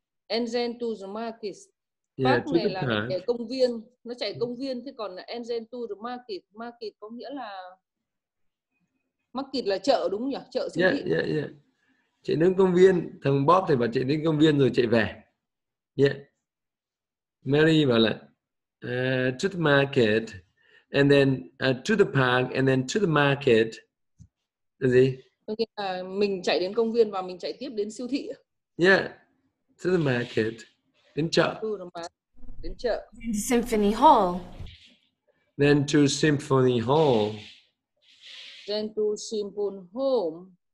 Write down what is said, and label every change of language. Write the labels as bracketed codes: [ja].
[en] And then to the market. Yeah, park to [vi] này [en] the [vi] là [en] park. [vi] Chạy công viên, nó chạy công viên. Thế còn là [en] and then to the market. [vi] Market có nghĩa là market là chợ đúng nhỉ? Chợ siêu thị. [en] Yeah. [vi] Chạy đến công viên, thằng Bob thì bảo chạy đến công viên rồi chạy về. [en] Yeah. [vi] Mary bảo là [en] to the market and then to the park and then to the market. [vi] gì? Mình chạy đến công viên và mình chạy tiếp đến siêu thị. [en] Yeah, to the market. [vi] Đến chợ. Đến chợ. [en] Symphony Hall. Then to Symphony Hall. Then to Symphony Hall.